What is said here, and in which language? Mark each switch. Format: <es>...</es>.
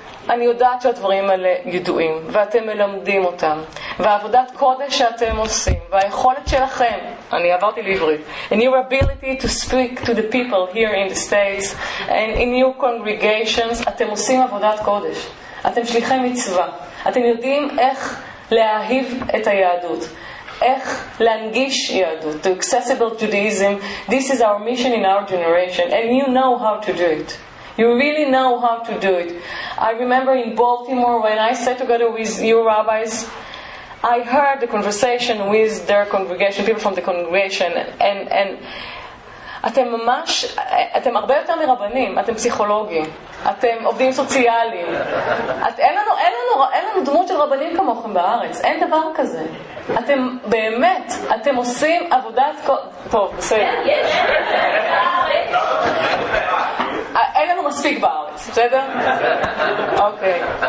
<he>אני יודעת שהדברים האלה ידועים, ואתם מלמדים אותם, ועבודת קודש שאתם עושים, והיכולת שלכם, אני עברתי לעברית,</he> <en>and your ability to speak to the people here in the States, and in your congregations,</en> <he>אתם עושים עבודת קודש. אתם שליחי מצווה. אתם יודעים איך להאהיב את היהדות. איך להנגיש יהדות.</he> <en>To accessible Judaism, this is our mission in our generation, and you know how to do it. You really know how to do it. I remember in Baltimore when I sat together with your rabbis, I heard the conversation with their congregation, people from the congregation, and</en> <he>אתם ממש, אתם הרבה יותר מרבנים, אתם פסיכולוגים, אתם עובדים סוציאליים. אין לנו דמות של רבנים כמוכם בארץ, אין דבר כזה. אתם באמת, אתם עושים עבודת טוב, בסדר. אין לנו מספיק בארץ, בסדר? אוקיי.</he>